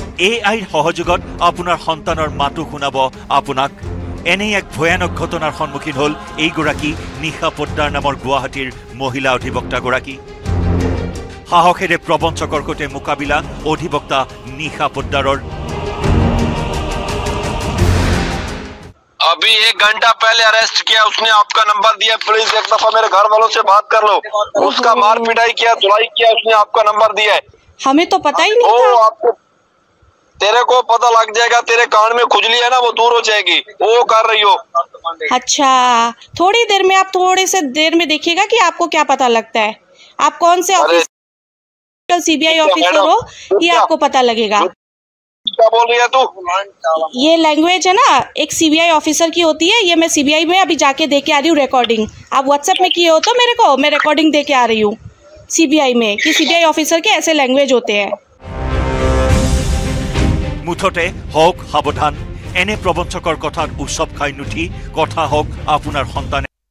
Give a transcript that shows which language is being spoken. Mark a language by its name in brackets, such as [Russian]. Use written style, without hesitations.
[Assamese] এআইৰ সহযোগত আপোনাৰ সন্তানৰ মাতো শুনাব আপোনাক। এনে এক ভয়ানক ঘটনাৰ সন্মুখীন হ'ল এইগৰাকী নিশা পোদ্দাৰ নামৰ গুৱাহাটীৰ মহিলা অধিবক্তাগৰাকী। সাহসেৰে প্ৰবঞ্চকৰ সৈতে মোকাবিলা অধিবক্তা নিশা পোদ্দাৰৰ। [Hindi] अभी एक घंटा पहले अरेस्ट किया, उसने आपका नंबर दिया, प्लीज एक दफा मेरे घर वालों से बात कर लो, उसका मार पिटाई किया, धुलाई किया, उसने आपका नंबर दिया है। हमें तो पता ही नहीं था। आपको तेरे को पता लग जाएगा, तेरे कान में खुजली है ना, वो दूर हो जाएगी, वो कर रही हो। अच्छा, थोड़ी देर में आप थोड़े से देर में देखिएगा कि आपको क्या पता लगता है, आप कौन से ऑफिसर, सीबीआई ऑफिसर हो, ये आपको पता लगेगा। ये लैंग्वेज है ना, एक सीबीआई ऑफिसर की होती है, ये मैं सीबीआई में अभी जाके देके आ रही हूँ रिकॉर्डिंग। आप व्हाट्सएप में किए हो तो मेरे को, मैं रिकॉर्डिंग देके आ रही हूँ सीबीआई में कि सीबीआई ऑफिसर के ऐसे लैंग्वेज होते हैं। [Assamese] মুঠতে হোক সাবধান, এনে প্ৰবঞ্চকৰ কথাত উৎসৱ খাই নুঠি কথা হোক আপোনাৰ সন্তানে।